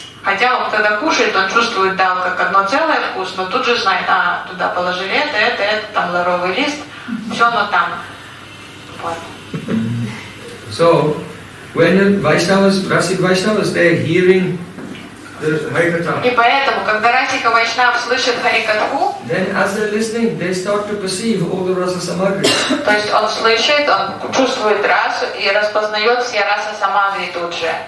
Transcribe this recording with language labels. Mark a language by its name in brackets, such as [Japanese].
[Russian] Хотя он когда кушает, он чувствует дал как одно целое вкус, но тут же знает, а, туда положили это, там лавровый лист, все оно там. Вот. [English] So, when the Vaishnavas, Rasika Vaishnavas, they're hearing the Harikatha. [Russian] И поэтому, когда Расика Вайшнав слышит Харикатху, [English] then as they're listening, they start to perceive all the Rasa Samagri. [Russian] То есть он слышит, он чувствует расу и распознает все Раса Самагри тут же.